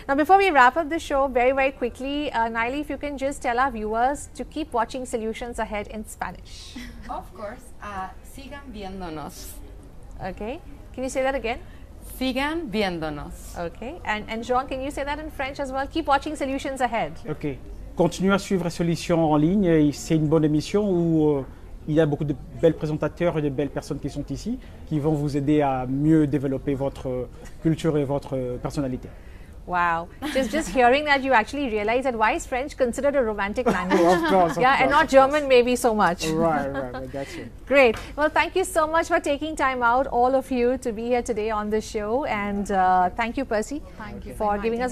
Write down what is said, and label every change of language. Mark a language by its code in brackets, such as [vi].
[en] Now, before we wrap up the show, very, very quickly, Nayeli, if you can just tell our viewers to keep watching Solutions Ahead in Spanish. Of course. [es] Sigan viéndonos. [en] Okay. Can you say that again? [es] Sigan viéndonos. [en] Okay. And Jean, can you say that in French as well? Keep watching Solutions Ahead. [fr] Okay. Continue à suivre Solutions en ligne. C'est une bonne émission où il y a beaucoup de belles présentateurs et de belles personnes qui sont ici qui vont vous aider à mieux développer votre culture et votre personnalité. [en] Wow. Just hearing that, you actually realize that why is French considered a romantic language? Of course, of course. Yeah, and not German maybe so much. Right, I got you. Great. Well, thank you so much for taking time out, all of you, to be here today on the show. And thank you, Persy, thank you for giving us